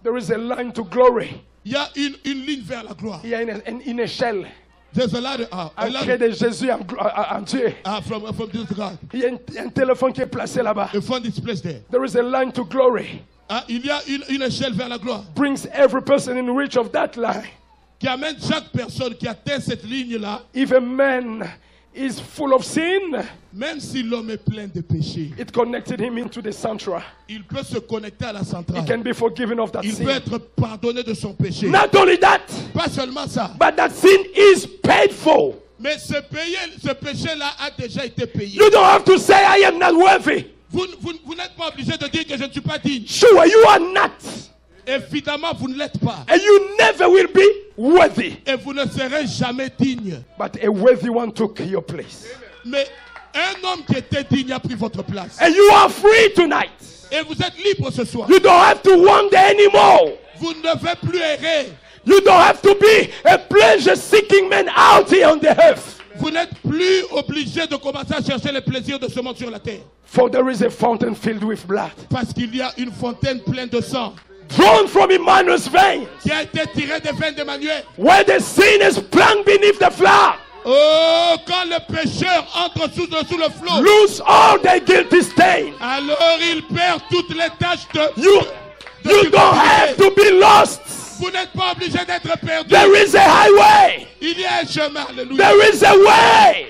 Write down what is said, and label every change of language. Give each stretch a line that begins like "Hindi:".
English: There is a line to glory.
French: Il y a une ligne vers la gloire.
English: Yeah, in a shell. There's a ladder.
French: Après de Jésus en Dieu.
English: From this God.
French: Il y a un téléphone qui est placé là-bas.
English: A phone is placed there. There is a line to glory.
French: Il y a une échelle vers la gloire.
English: Brings every person in reach of that line.
French: Qui amène chaque personne qui atteint cette ligne là.
English: If a man is full of sin,
French: même si l'homme est plein de péchés,
English: it connected him into the central.
French: Il peut se connecter à la centrale.
English: He can be forgiven of that
French: il
English: sin.
French: Peut être pardonné de son péché.
English: Not only that,
French: pas seulement ça,
English: but that sin is paid for.
French: Mais ce péché là a déjà été payé.
English: You don't have to say I am not worthy.
French: Vous n'êtes pas obligé de dire que je ne suis pas digne.
English: Sure, you are not.
French: Évidemment, vous ne l'êtes pas.
English: And you never will be worthy.
French: Et vous ne serez jamais digne.
English: But a worthy one took your place.
French: Mais un homme qui était digne a pris votre place.
English: And you are free tonight.
French: Et vous êtes libre ce soir.
English: You don't have to wander anymore.
French: Vous ne devez plus errer.
English: You don't have to be a pleasure-seeking man out here on the earth.
French: Vous n'êtes plus obligé de commencer à chercher les plaisirs de ce monde sur la terre.
English: For there is a fountain filled with blood.
French: Parce qu'il y a une fontaine pleine de sang.
English: Drawn from Emmanuel's veins.
French: Qui a été tiré des veines d'Emmanuel.
English: Where the sin is planted beneath the flower.
French: Oh, quand le pécheur entre sous le flot,
English: lose all the guilty stain.
French: Alors il perd toutes les taches de.
English: You don't have to be lost.
French: Vous n'êtes pas obligé d'être perdu.
English: There is a highway.
French: Il y a un chemin. Alléluia.
English: There is a way.